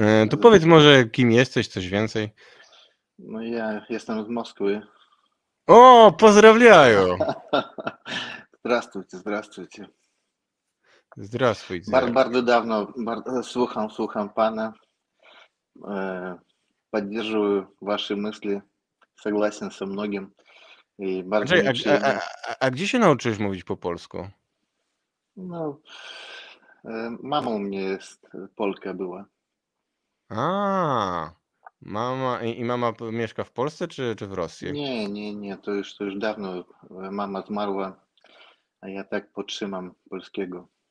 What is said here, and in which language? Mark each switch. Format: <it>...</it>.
<pl>To powiedz może, kim jesteś, coś więcej. No ja jestem z Moskwy. O, pozdrawiają!</pl> <ru>Здравствуйте. Zdrasuj.</ru> <pl>Bardzo dawno słucham pana.</pl> <ru>Поддерживаю ваши мысли. Согласен со многим. И</ru> <pl>bardzo mi przyjemnie. A gdzie się nauczyłeś mówić po polsku? No, mama u mnie jest Polka była. A. Mama i mama mieszka w Polsce czy w Rosji? Nie, to już dawno mama zmarła, a ja tak podtrzymam polskiego.</pl>